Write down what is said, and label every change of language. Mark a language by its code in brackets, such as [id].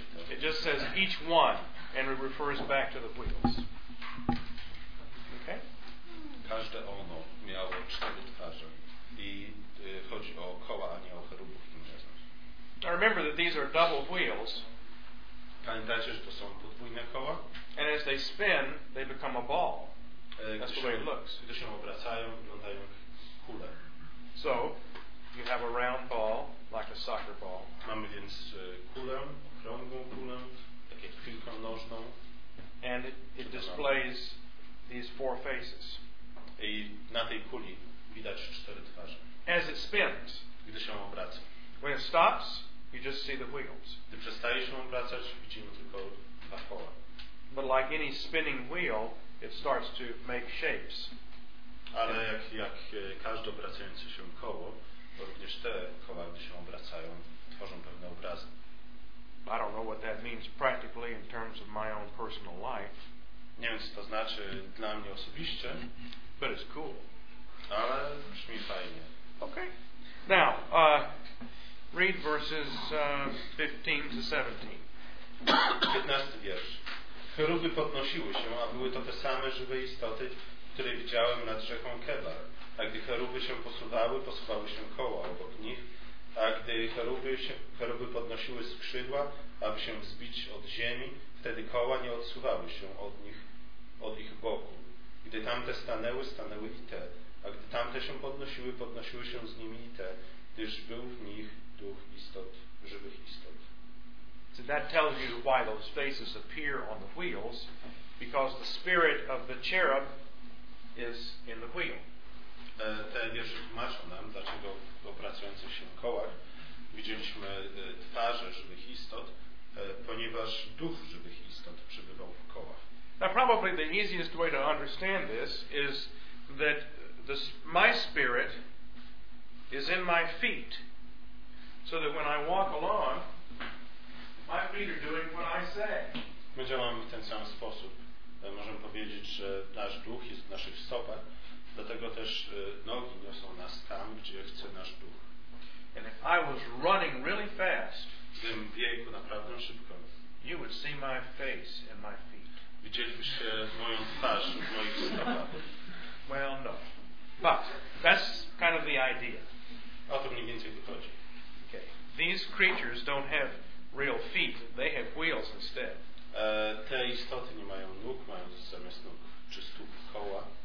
[en] It just says each one, and it refers back to the wheels. [pl] Każde ono miało cztery twarze i chodzi o koła, a nie o cherubów tym razem. [en] Now remember that these are double wheels. [pl] Pamiętajcie, że to są podwójne koła. [en] And as they spin, they become a ball. That's the way it looks. [pl] Gdy się obracają, wyglądają jak kule. [en] So, you have a round ball, like a soccer ball. [pl] Mamy więc kulę, okrągłą kulę, tak jak piłkę nożną. [en] And it displays these four faces. [pl] I na tej kuli widać cztery twarze. [en] As it spins. [pl] Gdy się obraca. [en] When it stops, you just see the wheels. [pl] Gdy przestaje się obracać, widzimy tylko dwa koła. [en] But like any spinning wheel, it starts to make shapes. [pl] Ale jak każde obracające się koło, bo również te koła, gdy się obracają, tworzą pewne obrazy. [en] I don't know what that means practically in terms of my own personal life. [pl] Nie wiem, co to znaczy dla mnie osobiście. [en] But it's cool. [pl] Ale brzmi fajnie. [en] Okay. Now, read verses 15-17. [pl] 15 wiersz. Cheruby podnosiły się, a były to te same żywe istoty, które widziałem nad rzeką Kebar. A gdy cheruby się posuwały, posuwały się koła obok nich. A gdy cheruby podnosiły skrzydła, aby się wzbić od ziemi, wtedy koła nie odsuwały się od nich, od ich boku. Gdy tamte stanęły, stanęły i te. A gdy tamte się podnosiły, podnosiły się z nimi i te, gdyż był w nich duch istot, żywych istot. [en] So that tells you why those faces appear on the wheels, because the spirit of the cherub is in the wheel. [pl] Te wierzy tłumaczą nam, dlaczego w obracających się kołach widzieliśmy twarze żywych istot, ponieważ duch żywych istot przebywał w kołach. [en] Now probably the easiest way to understand this is that my spirit is in my feet, so that when I walk along, my feet are doing what I say. [pl] My działamy w ten sam sposób. Możemy powiedzieć, że nasz duch jest w naszych stopach. Dlatego też nogi niosą nas tam, gdzie chce nasz duch. [en] And if I was running really fast, [pl] gdybym biegł naprawdę szybko, [en] you would see my face and my feet. [pl] Widzielibyście moją twarz w moich stopach. [en] Well, no. But that's kind of the idea. [pl] O to mniej więcej wychodzi. [en] Okay. These creatures don't have real feet. They have wheels instead. [pl] Te istoty nie mają nóg, mają zamiast nóg czy stóp koła.